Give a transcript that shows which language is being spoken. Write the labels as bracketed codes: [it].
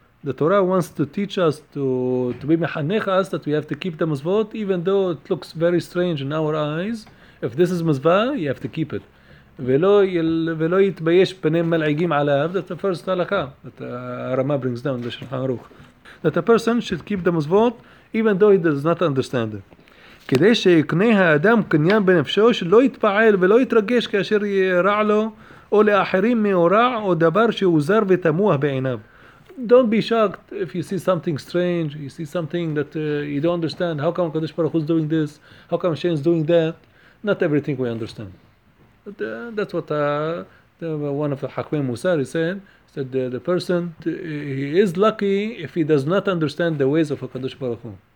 [en] The Torah wants to teach us to be mechanech us that we have to keep the mitzvot even though it looks very strange in our eyes. If this is mitzvah, you have to keep it. [he] Ve'lo yitbayesh p'nei mal'igim alav. [en] That's the first halakha that Rama brings down the Shulchan Aruch. That a person should keep the mitzvot even though he does not understand it. [he] כדי שיקנה האדם קניין בנפשו שלא יתפעל ולא יתרגש כאשר יירע לו או לאחרים מאורע או דבר שעוזר ותמוה בעיניו. [en] Don't be shocked if you see something strange, you see something that you don't understand. How come Kadosh Baruch Hu is doing this? How come Hashem is doing that? Not everything we understand. But that's what one of the Hakmei Musar said the person, he is lucky if he does not understand the ways of Kadosh Baruch Hu.